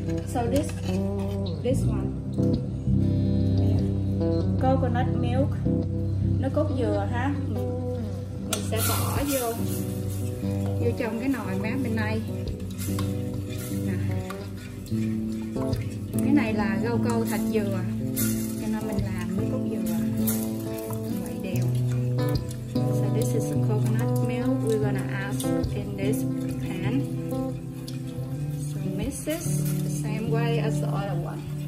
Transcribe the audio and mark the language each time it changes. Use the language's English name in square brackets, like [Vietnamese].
[English] So this one, coconut milk, [Vietnamese] nước cốt dừa ha. Mình sẽ bỏ vô. Vô trong cái nồi mát bên đây. Cái này là rau câu thạch dừa, cho nên mình làm với cốt dừa vậy đều. [English] So this is some coconut milk we're gonna add in this pan. So mix this the same way as the other one.